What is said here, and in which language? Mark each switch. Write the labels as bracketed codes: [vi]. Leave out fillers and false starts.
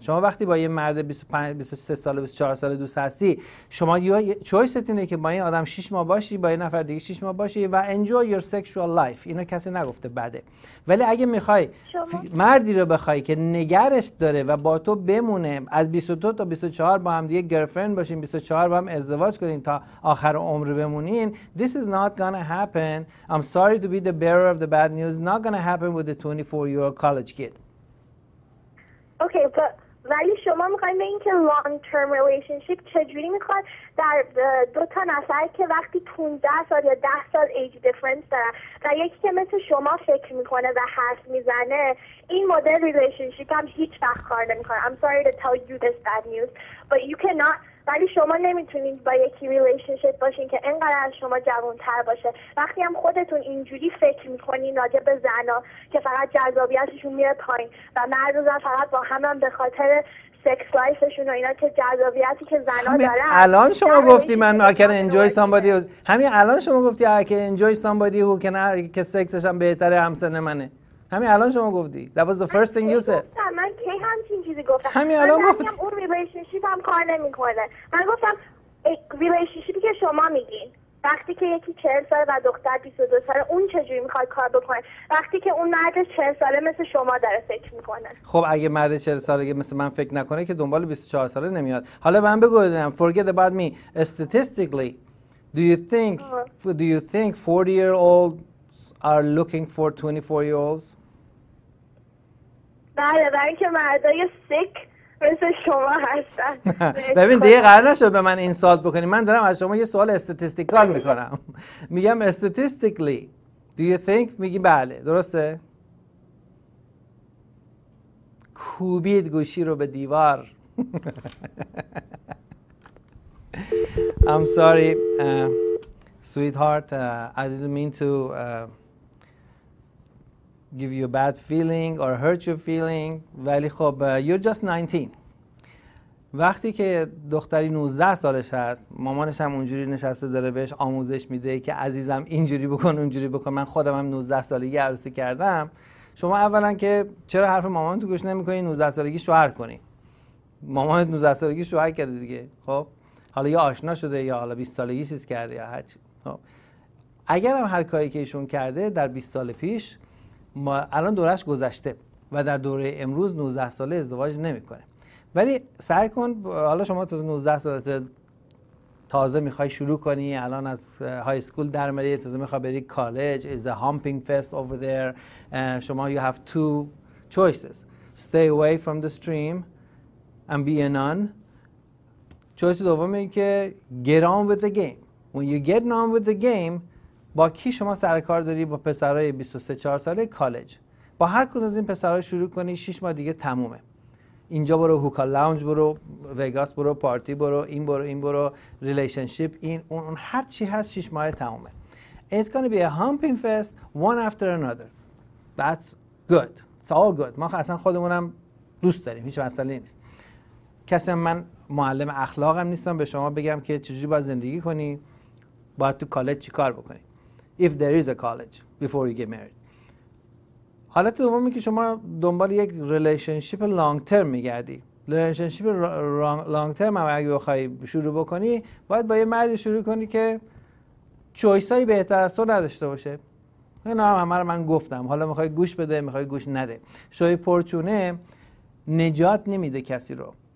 [fa] شما وقتی با یه مرد 25 23 ساله 24 ساله دوست هستی، شما [en] you چویست [fa] اینه که با این آدم 6 ماه باشی، با یه نفر دیگه 6 ماه باشی و [en] Enjoy your sexual life. [fa] اینا کسی نگفته بده. ولی اگه میخوای مردی رو بخوای که نگرش داره و با تو بمونه، از 22 تا 24 با هم دیگه گرلفرند باشین، 24 با هم ازدواج کنین تا آخر عمر بمونین، [en] this is not gonna happen. I'm sorry to be the bearer of the bad news. Not gonna happen with a 24 year old college kid. [fa] اوکی، ولی شما میخواید به این که لانگ ترم ریلیشنشیپ چجوری میخواد در دو تا نفر که وقتی 15 سال یا 10 سال ایج دیفرنس دارن و یکی که مثل شما فکر میکنه و حرف میزنه، این مدل ریلیشنشیپ هم هیچ وقت کار نمیکنه. [en] I'm sorry to tell you this bad news, but you cannot. [fa] ولی شما نمیتونید با یکی ریلیشنشیپ باشین که انقدر از شما جوان‌تر باشه. وقتی هم خودتون اینجوری فکر میکنین راجع به زنا که فقط جذابیتشون میره پایین و مرد و زن فقط با هم به خاطر سکس لایفشون و اینا که جذابیتی که زنا دارن، الان شما گفتی من [en] I can enjoy somebody, [fa] همین الان شما گفتی [en] I can enjoy somebody who [fa] که سکسش هم بهتره همسن منه، همین الان شما گفتی. [en] That was the first thing you said. [fa] من کی همچین چیزی گفتم؟ همین الان گفتم. اون ریلیشنشیپ هم کار نمی کنه. من گفتم ریلیشنشیپی که شما میگین. وقتی که یکی 40 ساله و دختر 22 ساله اون چجوری میخواد کار بکنه وقتی که اون مرد 40 ساله مثل شما داره فکر میکنه؟ خب اگه مرد 40 ساله اگه مثل من فکر نکنه که دنبال 24 ساله نمیاد. حالا من بگویدم [en] forget about me statistically do you think 40 year olds are looking for 24 year olds؟ [fa] بله، برای که مردای sick مثل شما هستن. ببین دیگه قرار نشد به من اینسالت بکنی، من دارم از شما یه سوال استاتیستیکال میکنم. میگم استاتیستیکلی [en] do you think, [fa] میگی بله درسته. کوبید گوشی رو به دیوار. [en] I'm sorry sweetheart I didn't mean to give you a bad feeling or hurt your feeling. [fa] ولی خب [en] you're just 19. [fa] وقتی که دختری 19 سالش هست، مامانش هم اونجوری نشسته داره بهش آموزش میده که عزیزم اینجوری بکن اونجوری بکن، من خودم هم 19 سالگی عروسی کردم، شما اولا که چرا حرف مامان تو گوش نمی کنی 19 سالگی شوهر کنی؟ مامانت 19 سالگی شوهر کرده دیگه. خب حالا یا آشنا شده یا حالا 20 سالگی چیز کرده یا هرچی. خب اگرم هر کاری که ایشون کرده در 20 سال پیش، ما الان دورش گذشته و در دوره امروز 19 ساله ازدواج نمیکنه. ولی سعی کن، حالا شما تو 19 سالت تازه میخوای شروع کنی، الان از های اسکول در اومدی، تازه میخوای بری کالج، [en] is a humping fest over there. شما you have two choices: stay away from the stream and be a nun. choice [fa] دوم این که [en] get on with the game. when you get on with the game، [fa] با کی شما سر کار داری؟ با پسرای 23 4 ساله کالج. با هر کدوم از این پسرا شروع کنی، 6 ماه دیگه تمومه. اینجا برو هوکا لاونج، برو وگاس، برو پارتی، برو این، برو این، برو ریلیشنشیپ، این اون هر چی هست 6 ماه تمومه. [en] It's gonna be a humping fest one after another. That's good. It's all good. [fa] ما اصلا خودمونم دوست داریم، هیچ مسئله نیست. کسی من معلم اخلاقم نیستم به شما بگم که چجوری باید زندگی کنی، باید تو کالج چی کار بکنی. [en] If there is a college before you get married. [fa] حالت دومی که شما دنبال یک ریلیشنشیپ لانگ ترم میگردی، ریلیشنشیپ لانگ ترم هم اگه بخوای شروع بکنی، باید با یه مردی شروع کنی که چویسایی بهتر از تو نداشته باشه. این هم همه رو من گفتم، حالا میخوای گوش بده میخوای گوش نده. شوی پرچونه نجات نمیده کسی رو.